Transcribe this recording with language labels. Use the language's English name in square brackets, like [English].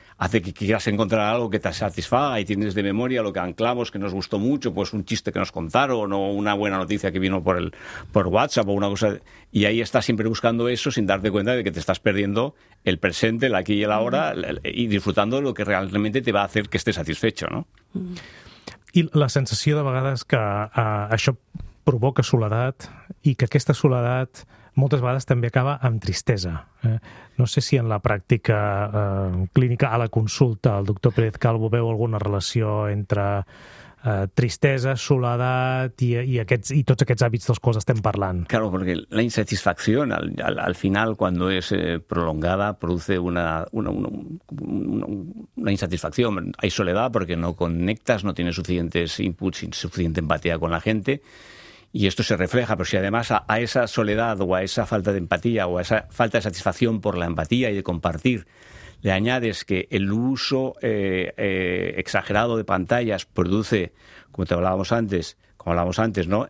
[Spanish] hace que quieras encontrar algo que te satisfaga y tienes de memoria lo que anclamos, que nos gustó mucho, pues un chiste que nos contaron o una buena noticia que vino por WhatsApp o una cosa. Y ahí estás siempre buscando eso sin darte cuenta de que te estás perdiendo el presente, el aquí y el ahora, y disfrutando lo que realmente te va a hacer que estés satisfecho, ¿no? [Catalan] Y la sensación de vegades que això provoca soledat y que aquesta soledat moltes vegades també acaba amb tristesa. No sé si en la pràctica clínica, a la consulta, el doctor Pérez Calvo veu alguna relació entre tristesa, soledat i tots aquests hàbits dels quals estem parlant. [Spanish] Claro, porque la insatisfacción al final, cuando es prolongada, produce una insatisfacción. Hay soledad porque no conectas, no tienes suficientes inputs, suficiente empatía con la gente. Y esto se refleja, pero si además a esa soledad o a esa falta de empatía o a esa falta de satisfacción por la empatía y de compartir, le añades que el uso exagerado de pantallas produce, como hablábamos antes, ¿no?